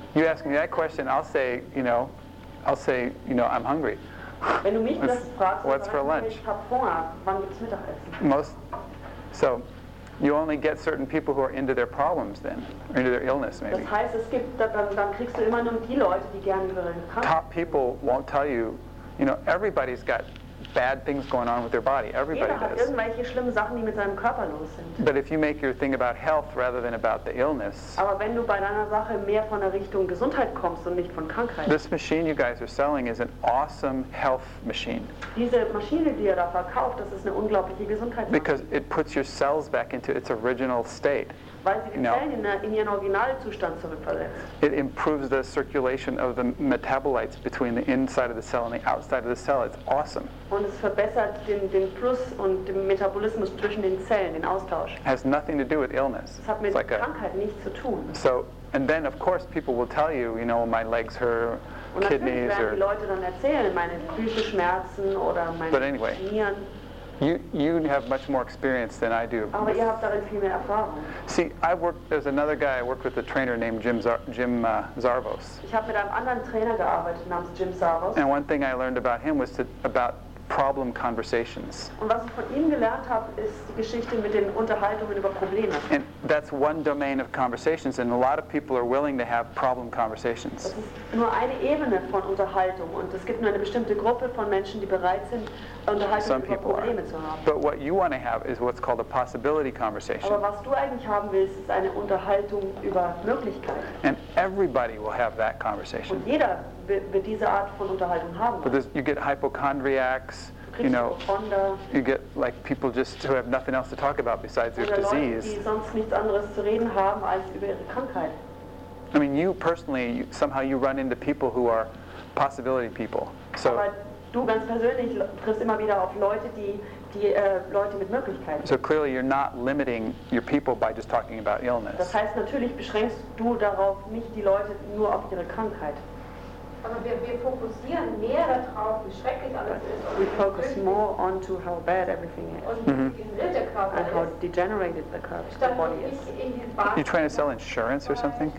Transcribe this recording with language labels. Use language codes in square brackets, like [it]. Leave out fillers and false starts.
[en] You ask me that question, I'll say, I'm hungry. [de] Wenn du mich das fragst, [en] what's for lunch? [de] Ich hab Hunger. Wann gibt's Mittagessen? [en] Most. So, you only get certain people who are into their problems then, or into their illness maybe. [de] Das heißt, es gibt dann kriegst du immer nur die Leute, die gerne über ihre Krankheit. [en] Top people won't tell you, you know, everybody's got bad things going on with their body. Everybody [de] Jeder [en] does. [de] Jeder hat irgendwelche schlimmen Sachen, die mit seinem Körper los sind. [en] But if you make your thing about health rather than about the illness. [de] Aber wenn du bei deiner Sache mehr von der Richtung Gesundheit kommst und nicht von Krankheit. [en] This machine you guys are selling is an awesome health machine. [de] Diese Maschine, die ihr da verkauft, das ist eine unglaubliche Gesundheitsmaschine. [en] Because it puts your cells back into its original state. [de] weil sie die Zellen in ihren Originalzustand zurückversetzt. [en] It improves the circulation of the metabolites between the inside of the cell and the outside of the cell. It's awesome. [de] Und es verbessert den Fluss und den Metabolismus zwischen den Zellen, den Austausch. [en] It has nothing to do with illness. [de] Es hat mit Krankheit nichts zu tun. [en] So, and then of course people will tell you, you know, my legs hurt. [de] Und [en] kidneys [de] natürlich werden die Leute dann erzählen, meine Füße schmerzen oder meine [en] but anyway, [de] Nieren. [en] You have much more experience than I do. [de] Aber ihr habt darin viel mehr Erfahrung. [en] See, there's another guy I worked with, a trainer named Jim Zarvos. [de] Ich habe mit einem anderen Trainer gearbeitet namens Jim Zarvos. [en] And one thing I learned about him was about problem conversations. [de] Und was ich von ihm gelernt habe, ist die Geschichte mit den Unterhaltungen über Probleme. [en] And that's one domain of conversations, and a lot of people are willing to have problem conversations. [de] Das ist nur eine Ebene von Unterhaltung, und es gibt nur eine bestimmte Gruppe von Menschen, die bereit sind, Unterhaltungen [en] Some people [de] über Probleme [en] are. [de] Zu haben. [en] But what you want to have is what's called a possibility conversation. [de] Aber was du eigentlich haben willst, ist eine Unterhaltung über Möglichkeiten. [en] And everybody will have that conversation. [de] Und jeder wird diese Art von Unterhaltung haben. [en] But you get hypochondriacs. You know, you get like people just who have nothing else to talk about besides their disease. [de] Leute, die sonst nichts anderes zu reden haben als über ihre Krankheit. [en] I mean, you personally, somehow you run into people who are possibility people. So, [de] aber du ganz persönlich triffst immer wieder auf Leute, die Leute mit Möglichkeiten. [en] So clearly you're not limiting your people by just talking about illness. [de] Das heißt, natürlich beschränkst du darauf nicht die Leute nur auf ihre Krankheit. [en] We focus more on to how bad everything is mm-hmm. and how degenerated the curve the body is. Are you trying to sell insurance or something?